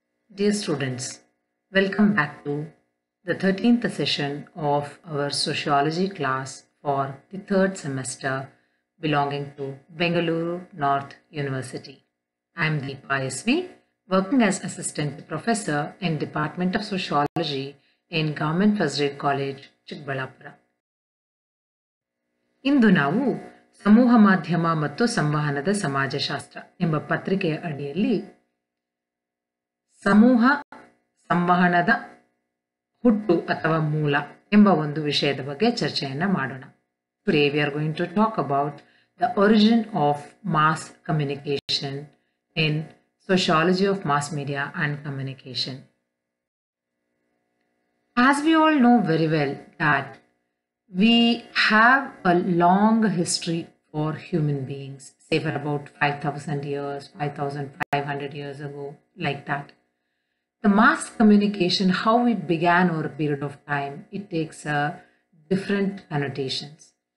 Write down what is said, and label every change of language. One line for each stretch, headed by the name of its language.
English: Dear students, welcome back to the 13th session of our sociology class for the third semester belonging to Bengaluru North University. I am Deepa SV, working as assistant professor in Department of Sociology in Government Fazrid College, Chikbalapura.
Kannada: ಇಂದು ನಾವು ಸಮೂಹ ಮಾಧ್ಯಮ ಮತ್ತು ಸಂವಹನದ ಸಮಾಜಶಾಸ್ತ್ರ ಎಂಬ ಪತ್ರಿಕೆಯ ಅಡಿಯಲ್ಲಿ ಸಮೂಹ ಸಂವಹನದ ಹುಟ್ಟು ಅಥವಾ ಮೂಲ ಎಂಬ ಒಂದು ವಿಷಯದ ಬಗ್ಗೆ ಚರ್ಚೆಯನ್ನು ಮಾಡೋಣ.
English: Today we are going to talk about the origin of mass communication in sociology of mass media and communication. As we all know very well that we have a long history for human beings, say for about 5000 years, 5500 years ago, like that. The mass communication, how it began over a period of time, it takes a different connotations.